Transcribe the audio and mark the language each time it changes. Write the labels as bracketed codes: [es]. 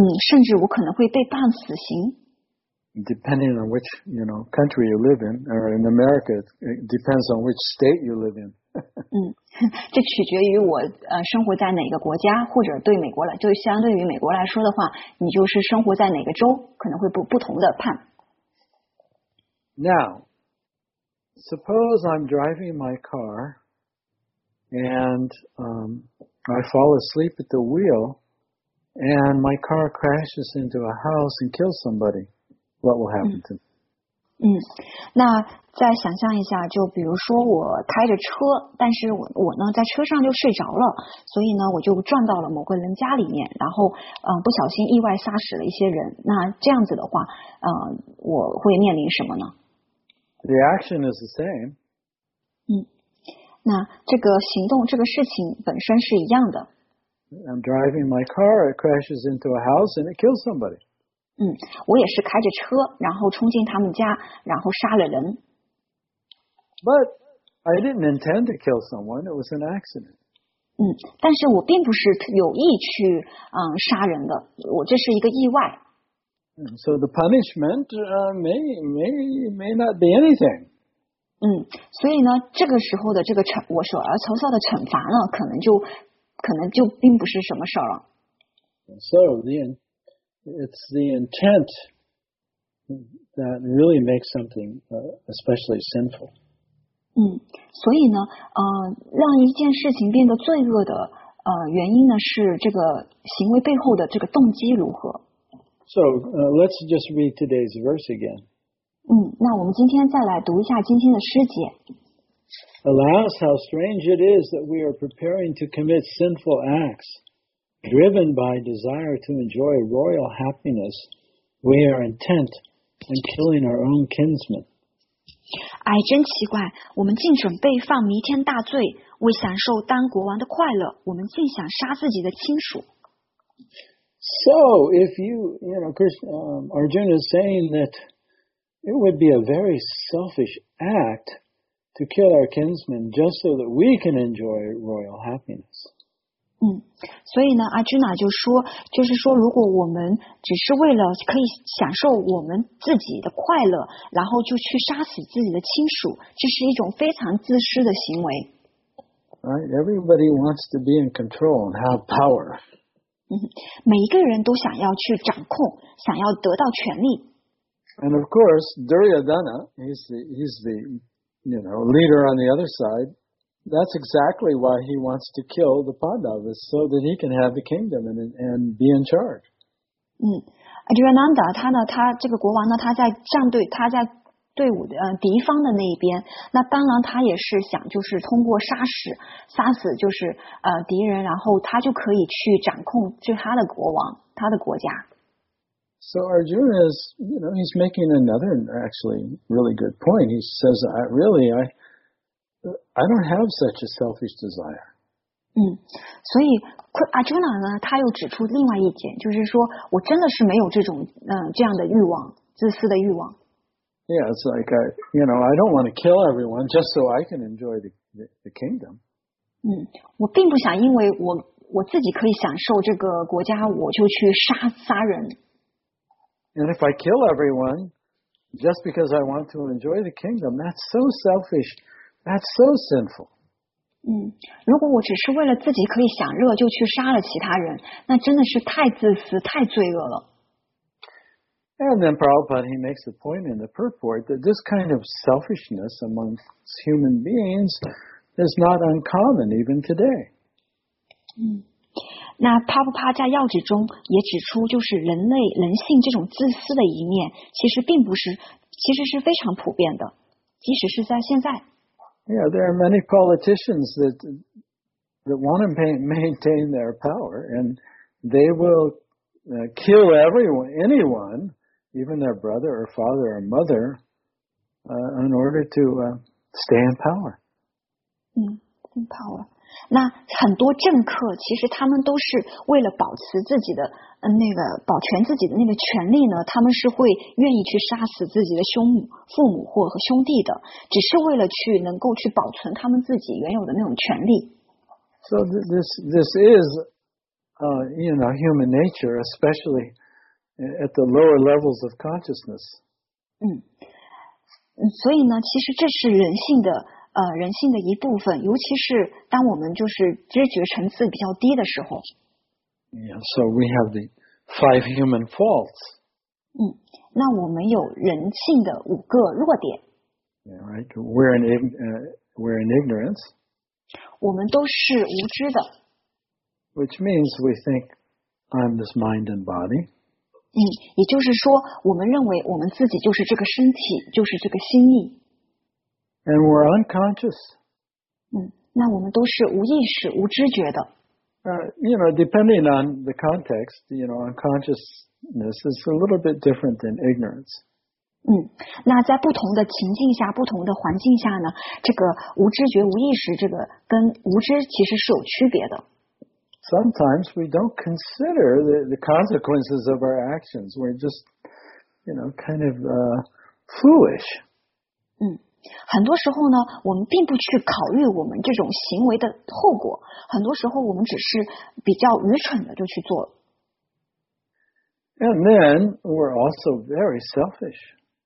[zh] 甚至我可能会被判死刑。 [en] depending on which, you know, country you live in, or in America, it depends on which state you live in. [zh] 这取决于我生活在哪个国家，或者对美国来，就相对于美国来说的话，你就是生活在哪个州，可能会不同的判。 [en] Now, suppose I'm driving my car, and I fall asleep at the wheel, and my car crashes into a house and kills somebody. What will happen to me? [zh] 那再想象一下，就比如说我开着车，但是我呢在车上就睡着了，所以呢我就撞到了某个人家里面，然后不小心意外杀死了一些人。那这样子的话，我会面临什么呢？ [en] The action is the same. [zh] 那这个行动，这个事情本身是一样的。 [en] I'm driving my car, it crashes into a house and it kills somebody. [zh] 我也是开着车，然后冲进他们家，然后杀了人。 [en] But I didn't intend to kill someone. It was an accident. [zh] 但是我并不是有意去杀人的，我这是一个意外。 [en] So the punishment may not be anything. [zh] 所以呢，这个时候的这个惩我所要遭受的惩罚呢，可能就并不是什么事了。 [en] So then. It's the intent that really makes something especially sinful. [zh] 所以呢，让一件事情变得罪恶的原因呢，是这个行为背后的这个动机如何。 [en] So, let's just read today's verse again. [zh] 那我们今天再来读一下今天的诗节。 [en] Alas, how strange it is that we are preparing to commit sinful acts. Driven by desire to enjoy royal happiness, we are intent on killing our own kinsmen. [zh] 哎，真奇怪，我们竟准备犯弥天大罪，为享受当国王的快乐，我们竟想杀自己的亲属。 [en] So, if Arjuna is saying that it would be a very selfish act to kill our kinsmen just so that we can enjoy royal happiness. [zh] 所以呢阿居娜就说，就是说如果我们只是为了可以享受我们自己的快乐，然后就去杀死自己的亲属，这是一种非常自私的行为。 [en] Right, everybody wants to be in control and have power. [zh] 每一个人都想要去掌控，想要得到权力。 [en] And of course, Duryodhana, he's the leader on the other side. That's exactly why he wants to kill the Pandavas so that he can have the kingdom and be in charge. [zh] Duryodhana, 他呢，他这个国王呢，他在战队，他在队伍的敌方的那一边。那当然，他也是想就是通过杀死就是敌人，然后他就可以去掌控就他的国王，他的国家。 [en] So Arjuna is, he's making another actually really good point. He says, I don't have such a selfish desire. [zh] 所以阿朱娜呢，他又指出另外一点，就是说我真的是没有这种这样的欲望，自私的欲望。 [en] Yeah, it's like I don't want to kill everyone just so I can enjoy the kingdom. [zh] 我并不想因为我自己可以享受这个国家，我就去杀人。 [en] And if I kill everyone just because I want to enjoy the kingdom, that's so selfish. That's so sinful. [zh] 如果我只是为了自己可以享乐就去杀了其他人，那真的是太自私，太罪恶了。 [en] And then Prabhupada, he makes a point in the purport that this kind of selfishness amongst human beings is not uncommon even today. [zh] 那帕布帕在要旨中也指出，就是人性这种自私的一面，其实是非常普遍的，即使是在现在。 [en] Yeah, there are many politicians that want to maintain their power, and they will kill anyone, even their brother or father or mother, in order to stay in power. In power. [zh] 那很多政客其实他们都是为了保持自己的保全自己的那个权利呢，他们是会愿意去杀死自己的兄母、父母或和兄弟的，只是为了去能够去保存他们自己原有的那种权利。 [en] So this is human nature, especially at the lower levels of consciousness. [zh] 嗯，所以呢，其实这是人性的人性的一部分，尤其是当我们就是知觉层次比较低的时候。 [en] Yeah, so we have the five human faults. [zh] 嗯，那我们有人性的五个弱点。 [en] Yeah, right. We're in ignorance. [zh] 我们都是无知的。 [en] Which means we think I'm this mind and body. [zh] 嗯，也就是说，我们认为我们自己就是这个身体，就是这个心意。 [en] And we're unconscious. [zh] 嗯，那我们都是无意识、无知觉的。 [en] You know, depending on the context, you know, unconsciousness is a little bit different than ignorance. [zh] 嗯，那在不同的情境下、不同的环境下呢，这个无知觉、无意识，这个跟无知其实是有区别的。 [en] Sometimes we don't consider the consequences of our actions. We're just, you know, kind of foolish. [zh] 嗯，很多时候呢，我们并不去考虑我们这种行为的后果。很多时候，我们只是比较愚蠢的就去做了。 [en] And then we're also very selfish.